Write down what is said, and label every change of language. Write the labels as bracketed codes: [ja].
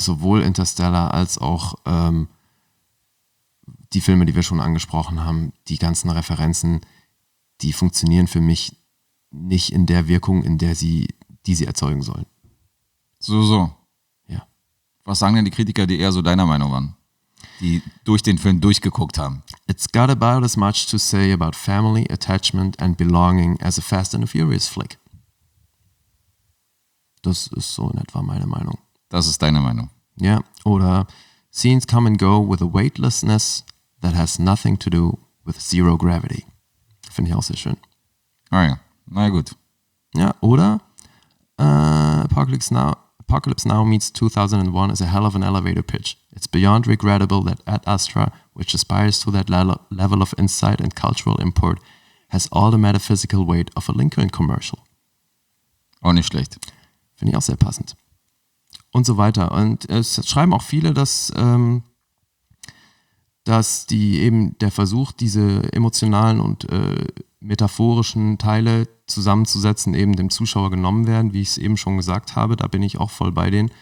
[de] Sowohl Interstellar als auch die Filme, die wir schon angesprochen haben, die ganzen Referenzen, die funktionieren für mich nicht in der Wirkung, in der sie erzeugen sollen. So. Ja. Was sagen denn die Kritiker, die eher so deiner Meinung waren? Die durch den Film durchgeguckt haben. [en] It's got about as much to say about family, attachment and belonging as a Fast and a Furious flick. [de] Das ist so in etwa meine Meinung. Das ist deine Meinung. Ja, oder [en] scenes come and go with a weightlessness that has nothing to do with zero gravity. [de] Finde ich auch sehr schön. Ah ja. Na gut. Ja, oder [en] Apocalypse Now meets 2001 is a hell of an elevator pitch. It's beyond regrettable that Ad Astra, which aspires to that level of insight and cultural import, has all the metaphysical weight of a Lincoln commercial. [de] Auch nicht schlecht. Finde ich auch sehr passend. Und so weiter. Und es schreiben auch viele, dass die eben der Versuch, diese emotionalen und metaphorischen Teile zusammenzusetzen, eben dem Zuschauer genommen werden, wie ich es eben schon gesagt habe, da bin ich auch voll bei denen.